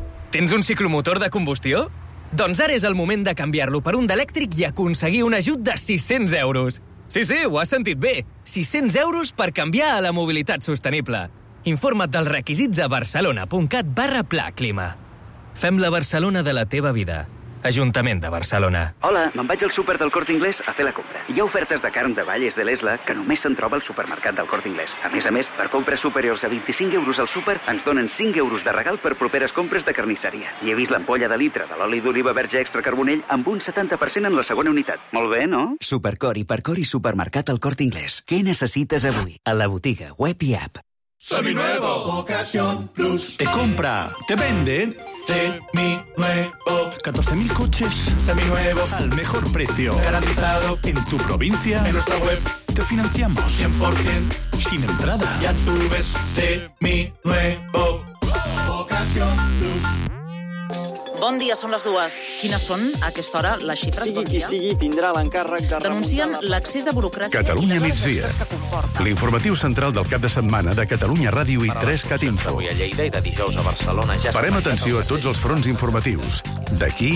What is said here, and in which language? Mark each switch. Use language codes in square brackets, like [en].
[ca] Tens un ciclomotor de combustió? Doncs ara és el moment de canviar-lo per un d'elèctric i aconseguir un ajut de 600 euros. Sí, sí, ho has sentit bé. 600 euros per canviar a la mobilitat sostenible. Informa't dels requisits a barcelona.cat/pla-clima. Fem la Barcelona de la teva vida. Ajuntament de Barcelona. Hola, me'n vaig al súper del Corte Inglés a fer la compra. Hi ha ofertes de carn de vall i de l'Esla que només se'n troba al supermercat del Corte Inglés. A més, per compres superiors a 25 euros al súper, ens donen 5 euros de regal per properes compres de carnisseria. I he vist l'ampolla de litre de l'oli d'oliva verge extra carbonell amb un 70% en la segona unitat. Molt bé, no? Supercor i percor i supermercat al Corte Inglés. Què necessites avui? A la botiga, web i app. [es] Seminuevo Ocasión Plus. Te compra, te vende. Seminuevo. 14.000 coches. Seminuevo. Al mejor precio. Garantizado. En tu provincia. En nuestra web. Te financiamos. 100%. Sin entrada. Ya tú ves. Seminuevo Ocasión Plus. [ca] Bon dia, són les dues. Quines són, a aquesta hora, les xifres? Sigui bon qui sigui, tindrà l'encàrrec de... Denuncien l'excés de burocràcia... Catalunya migdia. L'informatiu central del cap de setmana de Catalunya Ràdio i 3Cat Info. Avui a Lleida i de dijous a Barcelona. Ja farem atenció a tots els fronts informatius. D'aquí...